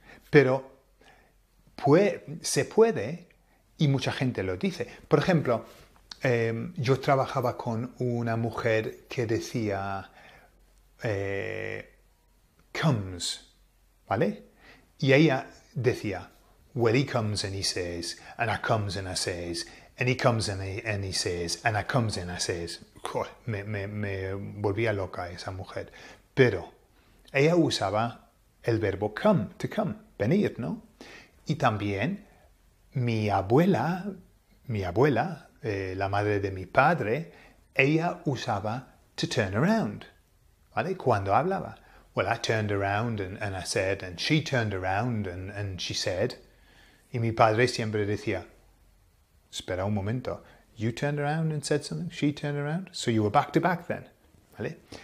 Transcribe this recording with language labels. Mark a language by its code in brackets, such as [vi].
[es] Pero se puede y mucha gente lo dice. Por ejemplo, yo trabajaba con una mujer que decía comes, ¿vale? Y ella decía, [en] well, he comes and he says, and I comes and I says, and he comes and he says, and I comes and I says. [es] Joder, me volvía loca esa mujer. Pero ella usaba el verbo come, to come, venir, ¿no? Y también mi abuela, la madre de mi padre, ella usaba to turn around, ¿vale? Cuando hablaba. [en] Well, I turned around and I said, and she turned around and she said. [es] Y mi padre siempre decía, espera un momento, [en] you turned around and said something, she turned around, so you were back to back then, ¿vale?